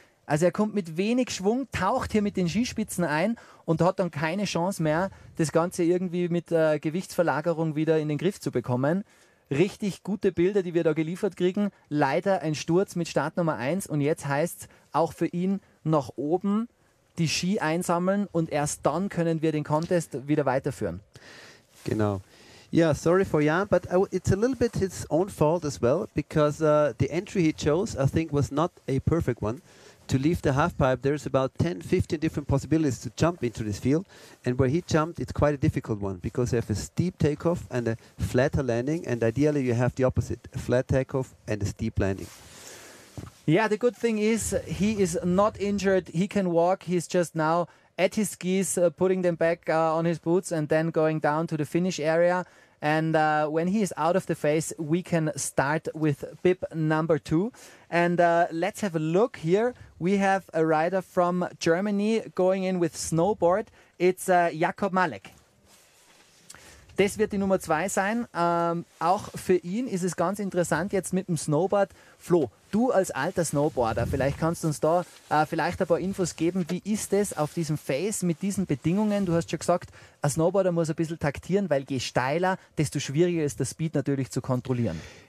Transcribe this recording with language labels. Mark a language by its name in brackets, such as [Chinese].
[German] Also er kommt mit wenig Schwung, taucht hier mit den Skispitzen ein und hat dann keine Chance mehr, das Ganze irgendwie mit Gewichtsverlagerung wieder in den Griff zu bekommen. Richtig gute Bilder, die wir da geliefert kriegen. Leider ein Sturz mit Startnummer 1 und jetzt heißt es auch für ihn nach oben die Ski einsammeln und erst dann können wir den Contest wieder weiterführen. Genau. [English] Yeah, sorry for Jan, but it's a little bit his own fault as well, because the entry he chose, I think, was not a perfect one. To leave the halfpipe, there's about 10, 15 different possibilities to jump into this field. And where he jumped, it's quite a difficult one because they have a steep takeoff and a flatter landing. And ideally, you have the opposite, a flat takeoff and a steep landing. Yeah, the good thing is he is not injured. He can walk. He's just now at his skis, putting them back on his boots and then going down to the finish area. And when he is out of the face, we can start with bib number 2. And let's have a look here. We have a rider from Germany going in with snowboard. [German] It's Jakob Malek. Das wird die Nummer 2 sein. Auch für ihn ist es ganz interessant jetzt mit dem Snowboard. Flo, du als alter Snowboarder, vielleicht kannst du uns da vielleicht ein paar Infos geben. Wie ist es auf diesem Face mit diesen Bedingungen? Du hast schon gesagt, ein Snowboarder muss ein bisschen taktieren, weil je steiler, desto schwieriger ist der Speed natürlich zu kontrollieren.